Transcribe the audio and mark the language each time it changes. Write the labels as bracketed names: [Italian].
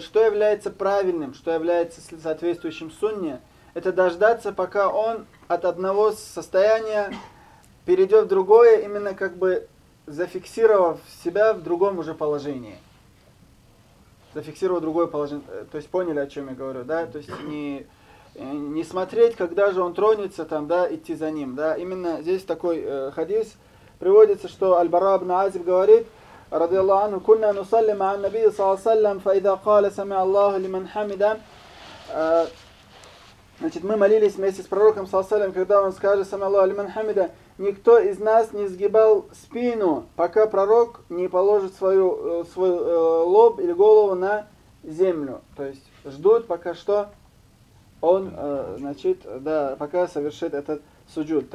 [Russian] Что является правильным, что является соответствующим сунне, это дождаться, пока он от одного состояния перейдет в другое, именно как бы зафиксировав себя в другом уже положении. Зафиксировав другое положение. То есть поняли, о чем я говорю, да? То есть не смотреть, когда же он тронется, там, да, идти за ним. Да? Именно здесь такой хадис приводится, что Аль-Бара ибн Азиб говорит, [Arabic] رضي الله عنه, كنا نصلي مع النبي صلى الله عليه وسلم, فإذا قال سمع الله لمن حمده. [Russian] Значит, мы молились вместе с пророком, салям, когда он скажет [Arabic] сам Аллах алиман хамида, [Russian] никто из нас не сгибал спину, пока пророк не положит свой лоб или голову на землю. То есть ждут, пока что он, значит, да, пока совершит этот суджуд.